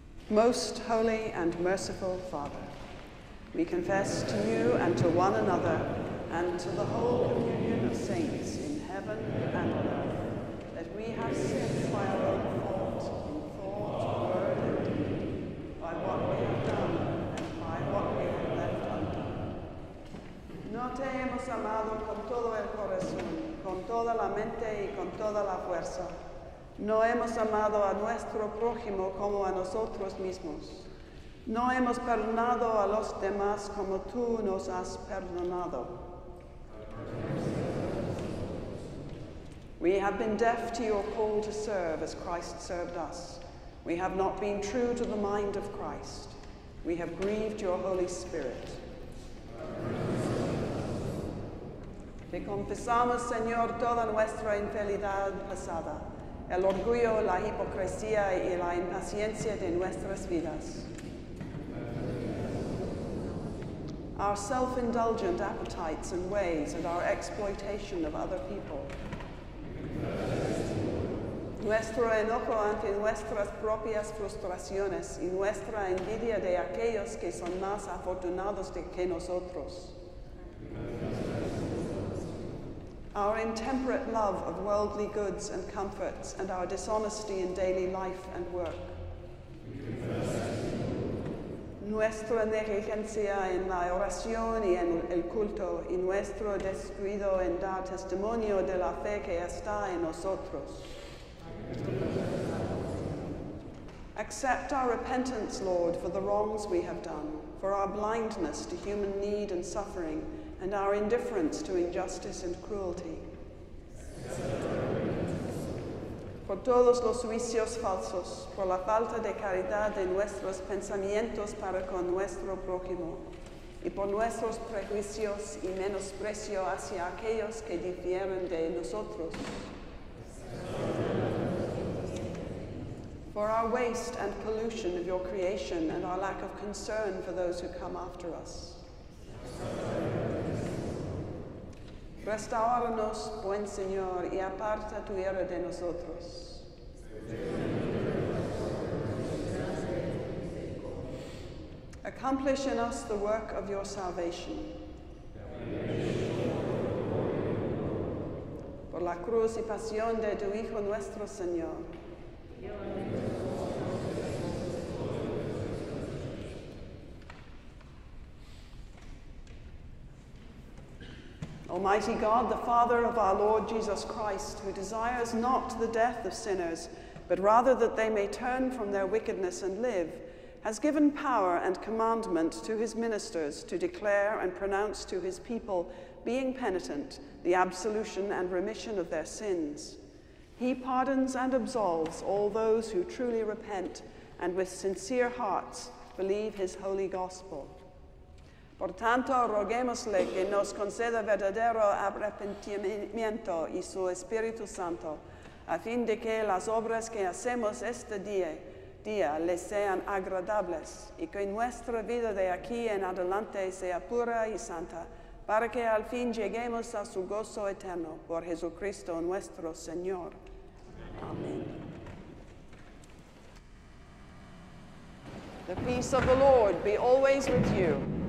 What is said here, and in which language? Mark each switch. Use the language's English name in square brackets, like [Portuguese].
[English] Most holy and merciful Father, we confess to you and to one another and to the whole communion of saints in heaven and on earth that we have sinned by our own fault, in thought, word, and deed, by what we have done and by what we have left undone. [Spanish] No te hemos amado con todo el corazón, con toda la mente y con toda la fuerza. No hemos amado a nuestro prójimo como a nosotros mismos. No hemos perdonado a los demás como tú nos has perdonado. [English] We have been deaf to your call to serve as Christ served us. We have not been true to the mind of Christ. We have grieved your Holy Spirit. [Spanish] Te confesamos, Señor, toda nuestra infidelidad pasada, el orgullo, la hipocresía y la impaciencia de nuestras vidas. [English] Our self-indulgent appetites and ways and our exploitation of other people. [Spanish] Nuestro enojo ante nuestras propias frustraciones y nuestra envidia de aquellos que son más afortunados que nosotros. [English] Our intemperate love of worldly goods and comforts and our dishonesty in daily life and work. [Spanish] Nuestra negligencia en la oración y en el culto y nuestro descuido en dar testimonio de la fe que está en nosotros. [English] Accept our repentance, Lord, for the wrongs we have done, for our blindness to human need and suffering, and our indifference to injustice and cruelty. [Spanish] Por todos los juicios falsos, por la falta de caridad de nuestros pensamientos para con nuestro prójimo, y por nuestros prejuicios y menosprecio hacia aquellos que difieren de nosotros. [English] For our waste and pollution of your creation and our lack of concern for those who come after us. [Spanish] Restauranos, buen Señor, y aparta tu ira de nosotros. [English] Accomplish in us the work of your salvation. [Spanish] Por la cruz y pasión de tu Hijo nuestro Señor. [English] Almighty God, the Father of our Lord Jesus Christ, who desires not the death of sinners, but rather that they may turn from their wickedness and live, has given power and commandment to his ministers to declare and pronounce to his people, being penitent, the absolution and remission of their sins. He pardons and absolves all those who truly repent and with sincere hearts believe his holy gospel. [Spanish] Por tanto, roguémosle que nos conceda verdadero arrepentimiento y su Espíritu Santo, a fin de que las obras que hacemos este día les sean agradables, y que nuestra vida de aquí en adelante sea pura y santa, para que al fin lleguemos a su gozo eterno, por Jesucristo nuestro Señor. Amén. [English] The peace of the Lord be always with you.